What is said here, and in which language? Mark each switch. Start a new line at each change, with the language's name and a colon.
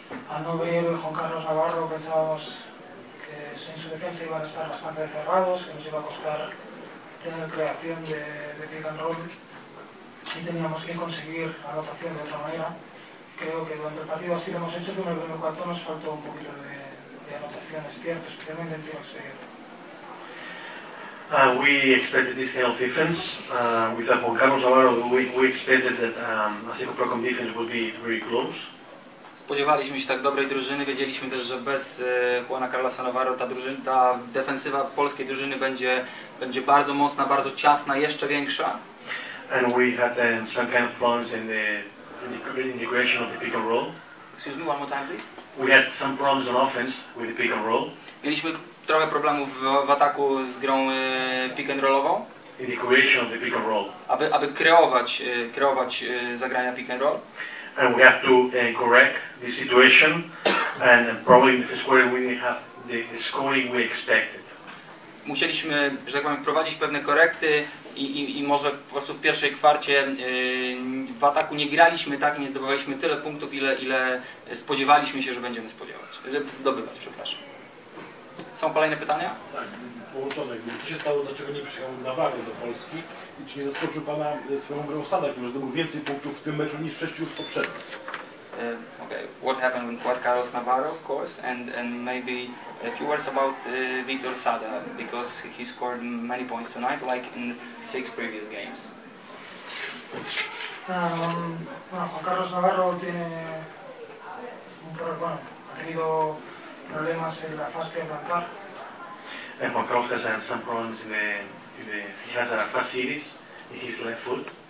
Spanish: Al no ver Juan Carlos Navarro, pensábamos que en su defensa iban a estar bastante cerrados, que nos iba a costar tener creación de pick and roll y teníamos que conseguir anotación de otra manera. Creo que durante el partido así lo hemos hecho, pero en el primer cuarto nos faltó un poquito de anotación, es cierto, especialmente en tiro exterior.
English: We expected this kind of defense with Juan Carlos Navarro. We expected that Asseco Proton defense would be very close.
Polish: Spodziewaliśmy się tak dobrej drużyny. Wiedzieliśmy też, że bez Juana Carlosa Navarro ta defensywa polskiej drużyny będzie bardzo mocna, bardzo ciasna, jeszcze większa.
English: And we had some kind of problems in the integration of the pick and roll. Excuse me, one more time, please. We had some problems on offense with the pick and roll.
Polish: Mieliśmy trochę problemów w ataku z grą pick and rollową.
English: In the creation of the pick and roll.
Polish: Aby kreować zagrania pick and roll.
English: And we have to correct the situation and probably in the first quarter we didn't have the scoring we expected.
Polish: Musieliśmy, że tak powiem, wprowadzić pewne korekty i może po prostu w pierwszej kwarcie w ataku nie graliśmy tak i nie zdobywaliśmy tyle punktów, ile spodziewaliśmy się, że będziemy zdobywać, przepraszam. Są kolejne pytania? Tak, połączone. Co się stało, dlaczego nie przyjechał Navarro do Polski? I czy nie zaskoczył Pana swoją grą Sada, który zdobył więcej punktów w tym meczu niż w sześciu poprzednich?
English: What happened with Juan Carlos Navarro, of course, and maybe a few words about Vitor Sada, because he scored many points tonight, like in six previous games.
Spanish: Juan Carlos Navarro tiene ha tenido problemas en la fase de plantar.
English: Juan Carlos has had some problems in the he has a fast series in his left foot.